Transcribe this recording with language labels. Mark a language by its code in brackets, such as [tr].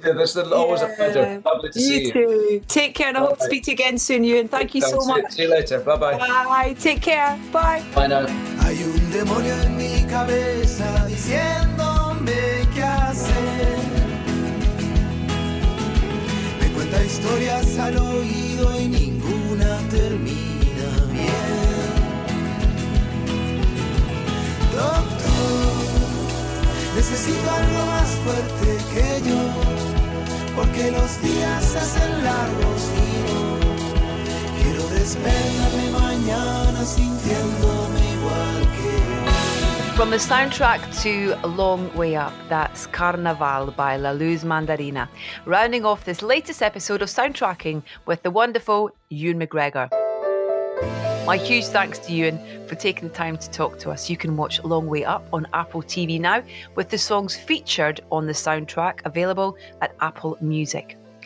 [en] There's always a pleasure. Lovely to see you. You too. Take care, and I hope to speak to you again soon, Ewan. Thank you so much. See you later. Bye-bye. Bye. Take care. Bye. Bye now. [es] Hay un demonio en mi cabeza diciéndome qué hacer. La historia se ha oído y ninguna termina bien. Doctor, necesito algo más fuerte que yo, porque los días se hacen largos y no quiero despertarme mañana sintiéndome igual que yo. [en] From the soundtrack to Long Way Up, that's Carnaval by La Luz Mandarina, rounding off this latest episode of Soundtracking with the wonderful Ewan McGregor. My huge thanks to Ewan for taking the time to talk to us. You can watch Long Way Up on Apple TV now, with the songs featured on the soundtrack available at Apple Music.